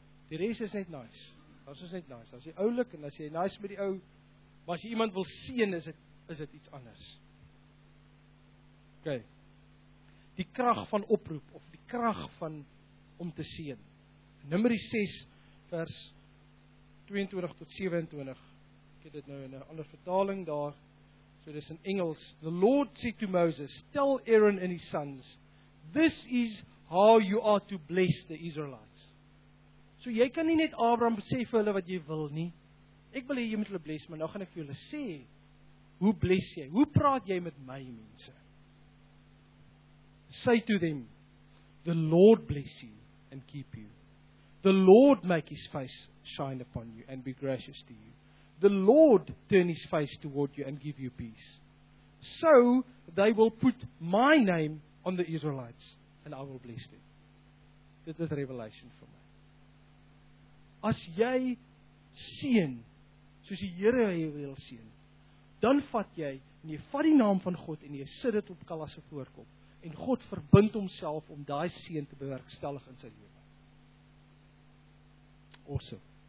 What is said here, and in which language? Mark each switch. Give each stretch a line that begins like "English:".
Afrikaans: Die res is net nice. Dit is net nice. As jy oulik en as jy nice met die ou, maar as jy iemand wil seën, is dit iets anders. OK. Die krag van oproep of die krag van om te seën. Numeri 6 vers 22 tot 27. Ek het dit nou in 'n ander vertaling daar. So dis in Engels.
English: The Lord said to Moses, tell Aaron and his sons, this is how you are to bless the Israelites.
Afrikaans: So jy kan nie net Abraham sê vir hulle wat jy wil nie. Ek wil hê jy moet hulle bless, maar nou gaan ek vir julle sê hoe bless jy? Hoe praat jy met my mense?
English: Say to them, the Lord bless you and keep you. The Lord make his face shine upon you and be gracious to you. The Lord turn his face toward you and give you peace. So they will put my name on the Israelites and I will bless them.
Afrikaans: Dit is revelation vir my. As jy seën, soos die Here jou wil seën, dan vat jy en jy vat die naam van God en jy sit dit op Kalas se voorkop. En God verbind homself om daai seën te bewerkstellig in sy lewe. Awesome.